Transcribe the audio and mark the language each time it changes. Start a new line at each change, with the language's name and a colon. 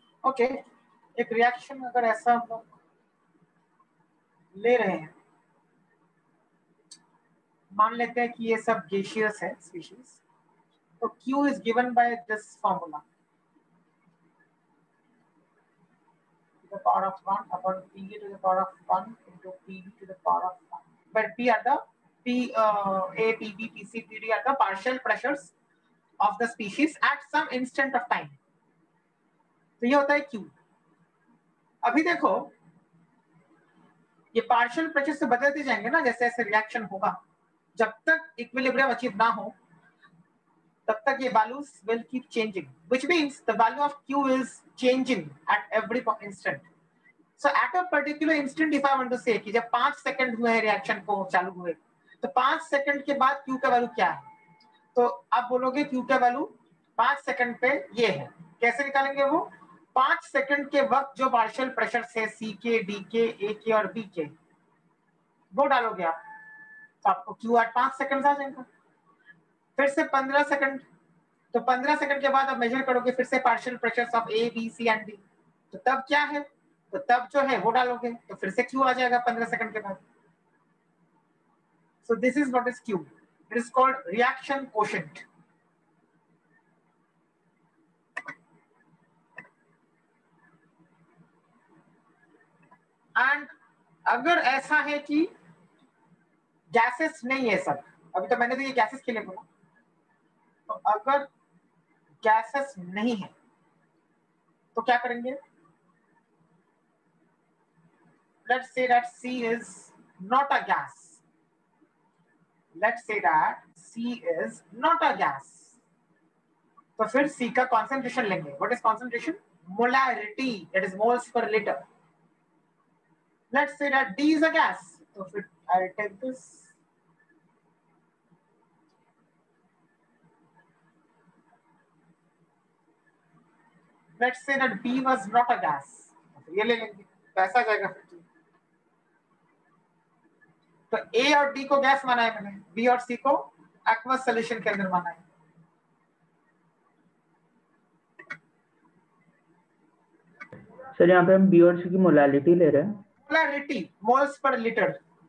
Hindi: Okay, एक reaction अगर ऐसा हम लोग ले रहे हैं, मान लेते हैं कि ये सब gaseous है species, तो Q is given by this formula.
English: To the power of 1 upon P to the power of 1 into P to the power of 1, where P are the PD are the partial pressures of the species at some instant of time.
Hindi: तो ये होता है Q. अभी देखो, ये partial pressures से बदलते जाएंगे ना, जैसे ऐसे reaction होगा, जब तक equilibrium achieve ना हो, तब तक ये values
English: will keep changing. Which means the value of Q is changing at every instant. So at a particular instant, if I want to say
Hindi: कि जब 5 seconds हुए हैं reaction को चालू हुए, तो 5 सेकंड के बाद क्यू का वैल्यू क्या है? तो आप बोलोगे क्यू का वैल्यू 5 सेकंड पे ये है. कैसे निकालेंगे वो? 5 सेकंड के वक्त जो पार्शियल प्रेशर है सी के, डी के, ए के और बी के, वो डालोगे आप, तो आपको क्यू एट 5 सेकंड आ जाएगा. फिर से 15 सेकंड, तो 15 सेकंड के बाद आप मेजर करोगे फिर से partial pressure of A, B, C and D, तो तब क्या है? तो तब जो है वो डालोगे, तो फिर से क्यू आ जाएगा 15 सेकंड के बाद.
English: So this is what is Q. It is called reaction quotient.
Hindi: And अगर ऐसा है कि gases नहीं है सब, अभी तो मैंने तो ये gases के लिए बोला, तो अगर gases नहीं है तो क्या करेंगे?
English: Let's say that C is not a gas. Let's say that C is not a gas.
Hindi: तो फिर C का concentration लेंगे.
English: What is concentration? Molarity. It is moles per liter. Let's say that D is a gas.
Hindi: तो फिर
English: I'll take this. Let's say that B was not a gas.
Hindi: ये ले लेंगे. पैसा जाएगा फिर. तो A और D को गैस माना है मैंने. B और C को aqueous solution के अंदर माना है. सर यहाँ पे हम बी और सी की मोलालिटी ले रहे हैं.
English: Molality moles per litre.